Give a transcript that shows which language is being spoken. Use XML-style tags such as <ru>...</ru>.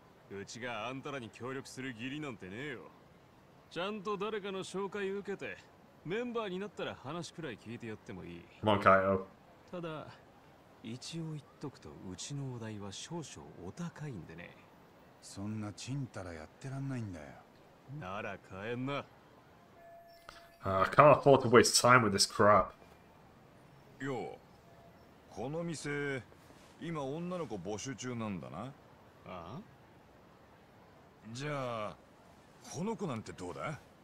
<ja>うちがあんたらに協力する義理なんてねえよ。ちゃんと誰かの紹介受けて。メンバーになったら話くらい聞いてやってもいい。</ja> <en>Come on, Kaito.</en> <ja>ただ、一応言っとくとうちのお代は少々お高いんでね。そんなちんたらやってらんないんだよ。なら帰んな。</ja> <en>I can't afford to waste time with this crap.</en> <ja>Yo, この店、今女の子募集中なんだな。ああ。じゃあ、この子なんてどうだ？</ja>